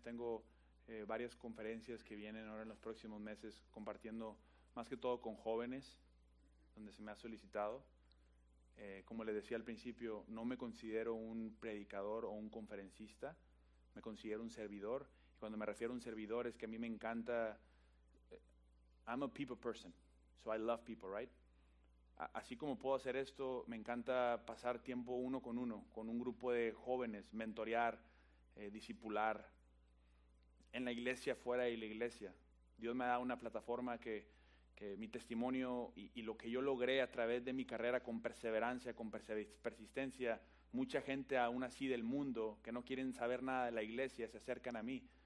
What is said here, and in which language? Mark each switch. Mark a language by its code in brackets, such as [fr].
[es] Tengo varias conferencias que vienen ahora en los próximos meses compartiendo más que todo con jóvenes donde se me ha solicitado. Como les decía al principio, no me considero un predicador o un conferencista. Me considero un servidor. Y cuando me refiero a un servidor es que a mí me encanta... [en] I'm a people person, so I love people, right? [es] Así como puedo hacer esto, me encanta pasar tiempo uno, con un grupo de jóvenes, mentorear, discipular, en la iglesia, fuera de la iglesia. Dios me ha dado una plataforma que mi testimonio y lo que yo logré a través de mi carrera con perseverancia, con persistencia, mucha gente aún así del mundo que no quieren saber nada de la iglesia se acercan a mí.